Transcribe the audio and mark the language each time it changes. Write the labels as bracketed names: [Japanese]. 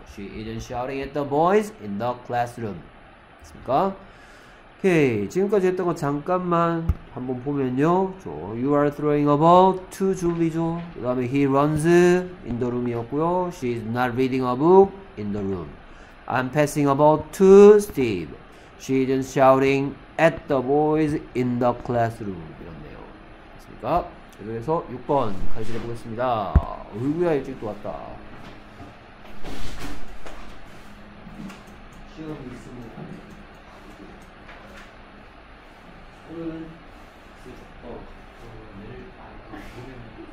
[English] She isn't shouting at the boys in the classroom. [Korean] 맞습니까? 오케이. 지금까지 했던 거 잠깐만 한번 보면요. [English] 저, you are throwing a ball to Julie죠. [Korean] 그 다음에 [English] he runs in the room이었고요. She is not reading a book in the room. I'm passing a ball to Steve. She isn't shouting at the boys in the classroom. [Korean] 이렇네요. 됐습니까? 그래서 6번 가르쳐 보겠습니다. 어이구야 일찍 또 왔다. 시험이 있습니다. 오늘은 그 조건을